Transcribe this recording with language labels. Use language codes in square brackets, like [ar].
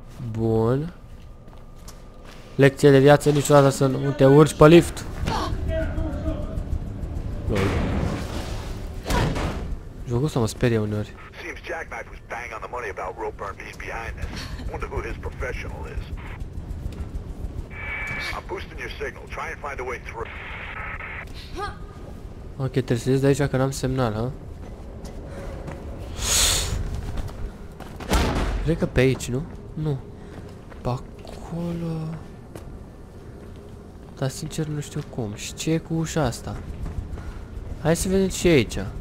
[ro] Bun. Lecție de viață, niciodată să nu te urci pe lift. Lol. Jocul ăsta mă sperie uneori. [en] Jackknife was bang on the money about Roburn being behind this. Wonder who his professional is. I'm boosting your signal. Try and find a way through. [ro] Ok, trebuie să ies de aici că n-am semnal, ha? Cred că pe aici, nu? Nu. Pe acolo... Dar sincer nu știu cum. Și ce e cu ușa asta? Hai să vedem ce e aici.